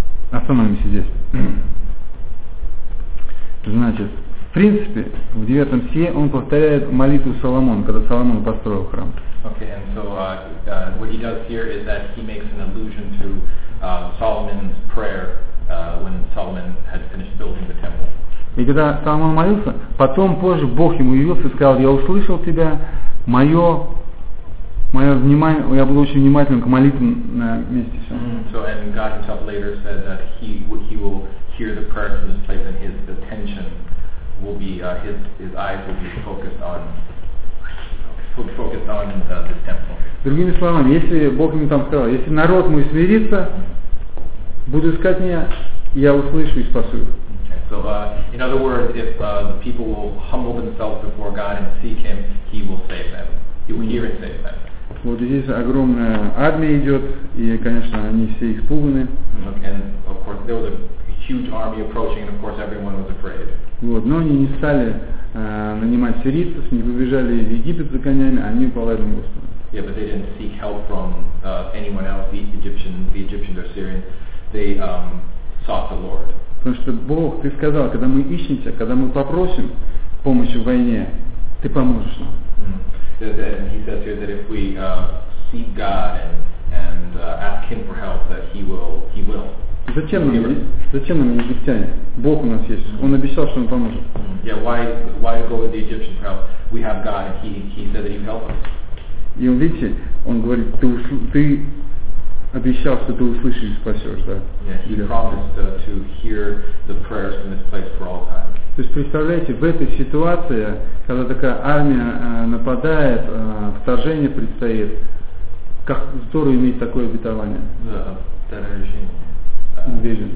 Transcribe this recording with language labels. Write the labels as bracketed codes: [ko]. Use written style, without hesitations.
[ru] Остановимся здесь. Значит, в принципе, в 9 стихе он повторяет молитву Соломона, когда Соломон построил храм. [en] Okay, and so what he does here is that he makes an allusion to Solomon's prayer when Solomon had finished building the temple. [ru] И когда Соломон молился, потом позже Бог ему явился и сказал: я услышал тебя, мое внимание, я буду очень внимательным к молитвам на месте всем. [en] So, and God himself later said that he will hear the prayers from this place, and his attention will be, his eyes will be focused on this temple. [ru] Другими словами, если Бог ему там сказал, если народ мой смирится, буду искать меня, я услышу и спасу их. [en] So, in other words, if the people will humble themselves before God and seek Him, He will save them. He will hear and save them. [ru] Вот здесь огромная армия идет, и, конечно, они все испуганы. [en] And of course, there was a huge army approaching, and of course, everyone was afraid. [ru] Вот, но они не стали нанимать сирийцев, не выбежали из Египет за конями, они уповали на Господа. [en] Yeah, but they didn't seek help from anyone else, the Egyptians or Syrians. They sought the Lord. [ru] Потому что Бог, Ты сказал, когда мы ищем Тебя, когда мы попросим помощи в войне, Ты поможешь нам. [en] He says here that if we seek God and ask Him for help, that He will. [ru] Зачем нам египтяне? Бог у нас есть. Mm-hmm. Он обещал, что Он поможет. Mm-hmm. [en] Yeah, why go to the Egyptians for help? We have God, and He said that He would help us. [ru] И он, видите, он говорит, ты обещал, что ты услышишь и спасешь, да? [en] Yeah, He promised to hear the prayers from this place for all time. [ru] То есть, представляете, в этой ситуации, когда такая армия нападает, вторжение предстоит, как здорово иметь такое обетование. Да, yeah, вторжение.